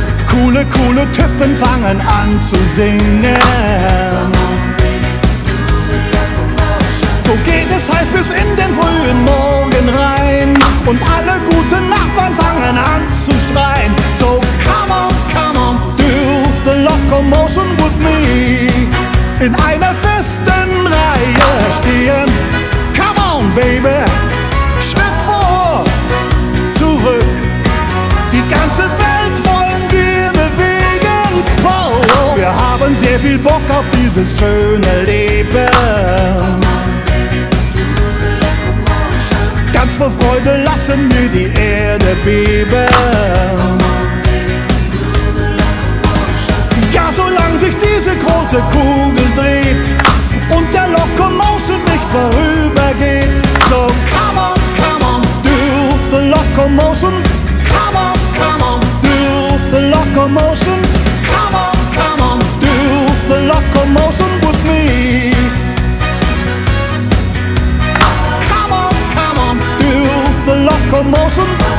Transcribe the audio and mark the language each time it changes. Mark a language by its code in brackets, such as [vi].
[de] Coole, coole Typen fangen an zu singen. So geht es heiß bis in den frühen Morgen rein und alle guten Nachbarn fangen an zu schreien. [en] So come on, come on, do the locomotion with me. [de] In einer festen Reihe stehen. Baby, Schritt vor, zurück. Die ganze Welt wollen wir bewegen. Wow, wow, wir haben sehr viel Bock auf dieses schöne Leben. Ganz vor Freude lassen wir die Erde beben. Ja, solange sich diese große Kugel dreht und der Locomotion nicht vorübergeht. [en] So come on, come on, do the locomotion. Come on, come on, do the locomotion. Come on, come on, do the locomotion with me. Come on, come on, do the locomotion.